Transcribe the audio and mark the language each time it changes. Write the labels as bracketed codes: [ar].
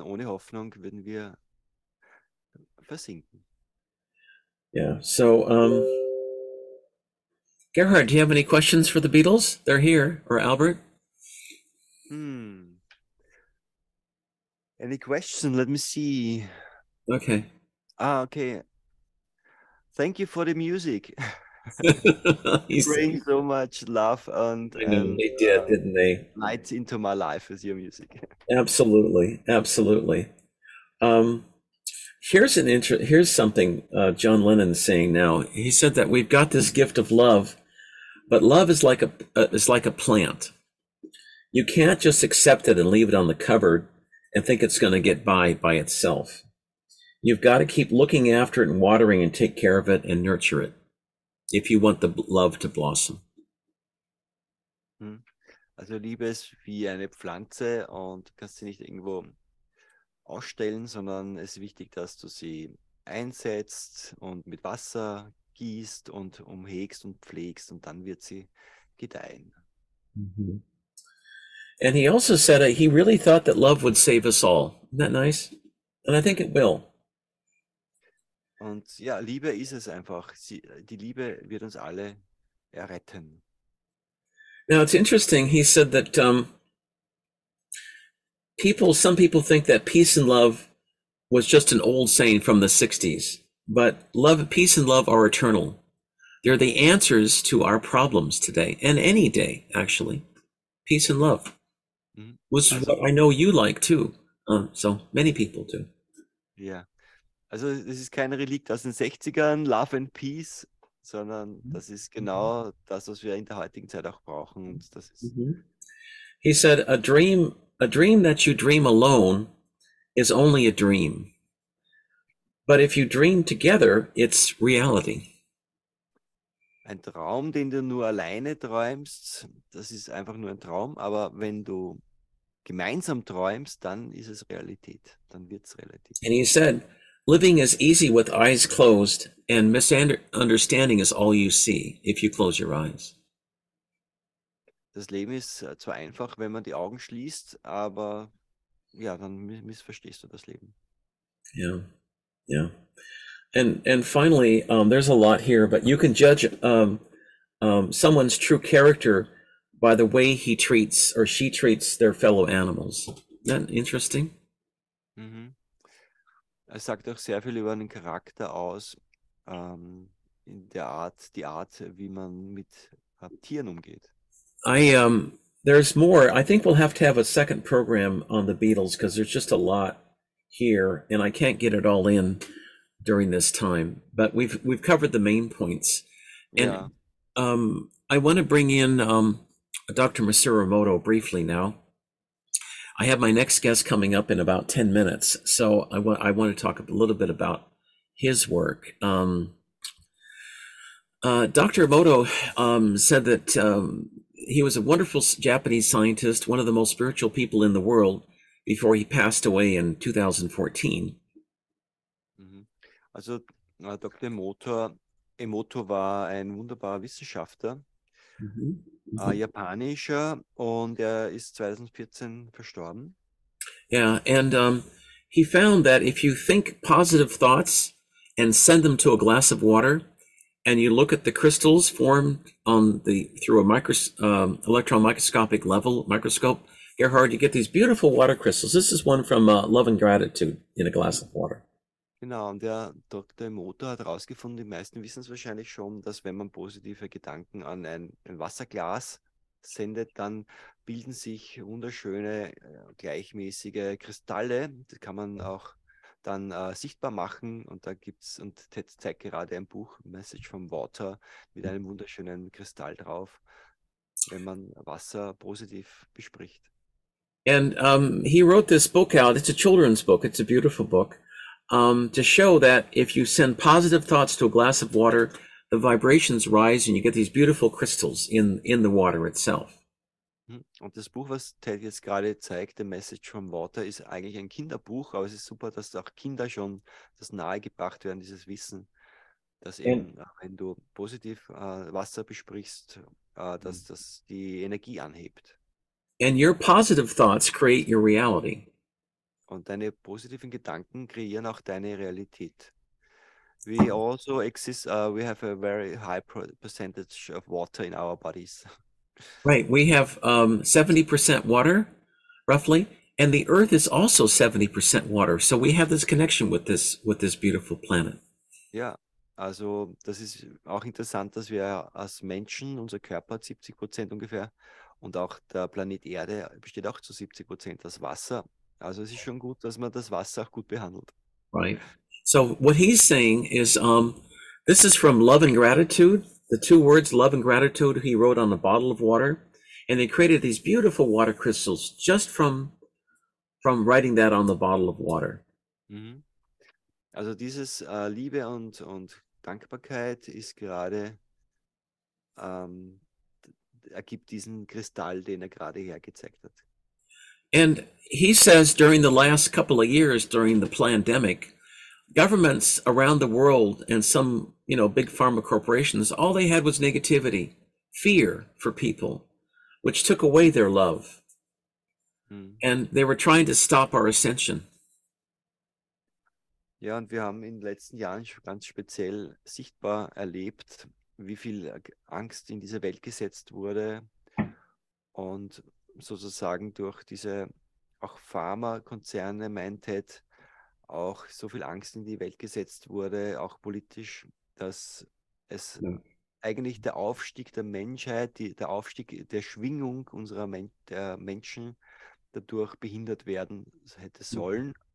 [de] Ohne Hoffnung würden wir versinken. [en] Yeah, so Gerhard, do you have any questions for the Beatles? They're here, or Albert? Any question? Let me see. Okay. Okay. Thank you for the music. You bring so much love and, I mean, they did, didn't they? Light into my life with your music. Absolutely, absolutely. Here's something John Lennon's saying now. He said that we've got this gift of love, but love is like a plant. You can't just accept it and leave it on the cupboard and think it's going to get by itself. You've got to keep looking after it and watering and take care of it and nurture it if you want the love to blossom. [de] Also Liebe ist wie eine Pflanze und kannst sie nicht irgendwo ausstellen, sondern es ist wichtig, dass du sie einsetzt und mit Wasser gießt und umhegst und pflegst und dann wird sie gedeihen. Mm-hmm. [en] And he also said that he really thought that love would save us all. Isn't that nice? And I think it will. [de] Und ja, Liebe ist es einfach. Die Liebe wird uns alle erretten. [en] Now it's interesting. He said that some people think that peace and love was just an old saying from the 60s, but love, peace and love are eternal. They're the answers to our problems today and any day, actually. Peace and love, which is what I know you like too. So many people do. Yeah. [de] Also [en] this is [de] kein Relikt aus den 60ern, [en] love and peace, [de] sondern das ist genau das, was wir in der heutigen Zeit auch brauchen. Und das ist... [en] He said, A dream that you dream alone is only a dream. But if you dream together, it's reality. [de] Ein Traum, den du nur alleine träumst, das ist einfach nur ein Traum. Aber wenn du gemeinsam träumst, dann ist es Realität. Dann wird's Realität. [en] And he said, living is easy with eyes closed and misunderstanding is all you see if you close your eyes. [de] Das Leben ist zwar einfach, wenn man die Augen schließt, aber ja, dann missverstehst du das Leben. [en] Yeah, yeah. And finally, there's a lot here, but you can judge someone's true character by the way he treats or she treats their fellow animals. Isn't that interesting? Mm-hmm. [de] Es sagt auch sehr viel über den Charakter aus, in der Art, die Art, wie man mit Tieren umgeht. [en] There's more. I think we'll have to have a second program on the Beatles because there's just a lot here and I can't get it all in during this time, but we've covered the main points. And, yeah. I want to bring in, Dr. Masaru Emoto briefly now. I have my next guest coming up in about 10 minutes. So I want to talk a little bit about his work. Dr. Emoto, said that, he was a wonderful Japanese scientist, one of the most spiritual people in the world before he passed away in 2014. [de] Also Dr. Emoto war ein wunderbarer Wissenschaftler, japanischer, und er ist 2014 verstorben. [en] Yeah, and he found that if you think positive thoughts and send them to a glass of water, and you look at the crystals formed on the through a electron microscopic level microscope, Gerhard, you get these beautiful water crystals. This is one from Love and Gratitude in a Glass of Water. [de] Genau, und der Dr. Emoto hat herausgefunden, die meisten wissen es wahrscheinlich schon, dass wenn man positive Gedanken an ein Wasserglas sendet, dann bilden sich wunderschöne, gleichmäßige Kristalle. Das kann man auch dann sichtbar machen. Und da gibt es, und Ted zeigt gerade ein Buch, Message from Water, mit einem wunderschönen Kristall drauf, wenn man Wasser positiv bespricht. [en] And he wrote this book out. It's a children's book. It's a beautiful book to show that if you send positive thoughts to a glass of water, the vibrations rise and you get these beautiful crystals in the water itself. [de] Und das Buch, was Ted jetzt gerade zeigt, The Message from Water, ist eigentlich ein Kinderbuch, aber es ist super, dass auch Kinder schon das nahegebracht werden, dieses Wissen, dass eben, wenn du positiv Wasser besprichst, dass das die Energie anhebt. [en] And your positive thoughts create your reality. [de] Und deine positiven Gedanken kreieren auch deine Realität. [en] We also exist, we have a very high percentage of water in our bodies. Right, we have 70% water, roughly, and the Earth is also 70% water. So we have this connection with this beautiful planet. [de] Ja, also das ist auch interessant, dass wir als Menschen, unser Körper hat 70% ungefähr und auch der Planet Erde besteht auch zu 70% aus Wasser. Also es ist schon gut, dass man das Wasser auch gut behandelt. [en] Right. So what he's saying is, this is from love and gratitude. The two words love and gratitude he wrote on the bottle of water, and they created these beautiful water crystals just from writing that on the bottle of water. [de] Also dieses Liebe und Dankbarkeit ist gerade, ergibt diesen Kristall, den er gerade hergezeigt hat. [en] And he says during the last couple of years, during the pandemic, governments around the world and some, big pharma corporations, all they had was negativity, fear for people, which took away their love. And they were trying to stop our ascension. [de] Ja, und wir haben in den letzten Jahren schon ganz speziell sichtbar erlebt, wie viel Angst in diese Welt gesetzt wurde. Und sozusagen durch diese auch Pharmakonzerne, meint Ted, auch so viel Angst in die Welt gesetzt wurde, auch politisch, dass es eigentlich der Aufstieg der Menschheit, der Aufstieg der Schwingung der Menschen dadurch behindert werden hätte sollen.